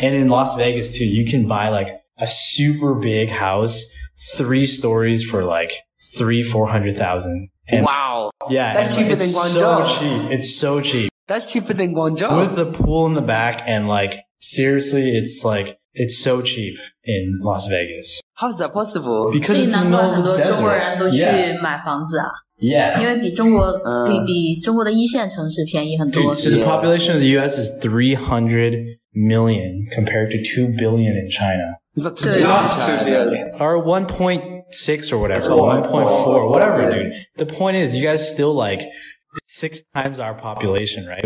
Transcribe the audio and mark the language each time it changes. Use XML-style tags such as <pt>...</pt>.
<en>And in Las Vegas, too, you can buy like a super big house, three stories for like $300,000-$400,000. Wow. Yeah. That's cheaper than Guangzhou. It's so cheap. It's so cheap. That's cheaper than Guangzhou. With the pool in the back and like, seriously, it's like, it's so cheap in Las Vegas. How is that possible? Because it's in the middle of the desert.</en> <zh>中国人都去买房子啊。</zh> <en>Yeah.</en> <zh>因为比中国的一线城市便宜很多。</zh> <en>Dude, so the population of the US is 300 million compared to 2 billion in China. Is that 2 billion? Not 2 billion. Or 1.6 or whatever. 1.4, whatever, dude. The point is, you guys still like 6 times our population, right?</en>